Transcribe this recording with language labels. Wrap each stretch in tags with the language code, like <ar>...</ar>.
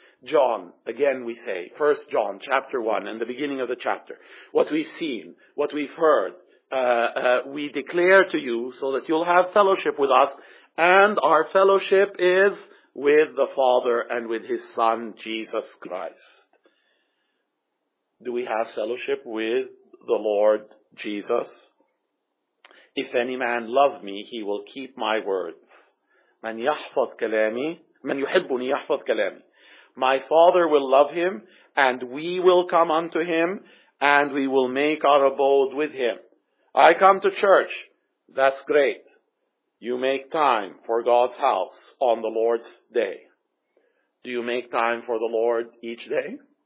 <en>John, again we say, 1 John chapter 1 and the beginning of the chapter, what we've seen, what we've heard, we declare to you so that you'll have fellowship with us, and our fellowship is with the Father and with His Son, Jesus Christ. Do we have fellowship with the Lord Jesus? If any man love me, he will keep my words.</en> <ar>من يحفظ كلامي, من يحبني يحفظ كلامي.</ar> <en>My Father will love him, and we will come unto him, and we will make our abode with him. I come to church. That's great. You make time for God's house on the Lord's day. Do you make time for the Lord each day?</en>